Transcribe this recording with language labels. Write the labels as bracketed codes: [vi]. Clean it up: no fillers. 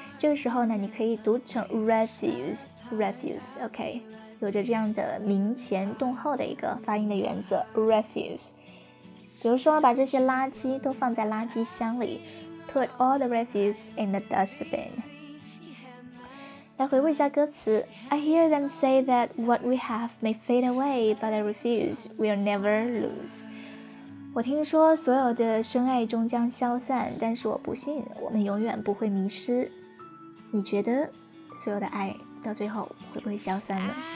[zh] 这个时候呢，你可以读成 refuse， refuse， OK，有着这样的名前动后的一个发音的原则 refuse。比如说把这些垃圾都放在垃圾箱里， [en] put all the refuse in the dustbin。 [zh] 来回顾一下歌词， [en] I hear them say that what we have may fade away, but I refuse, we'll never lose。 [zh] 我听说所有的深爱终将消散，但是我不信，我们永远不会迷失。你觉得所有的爱到最后会不会消散呢？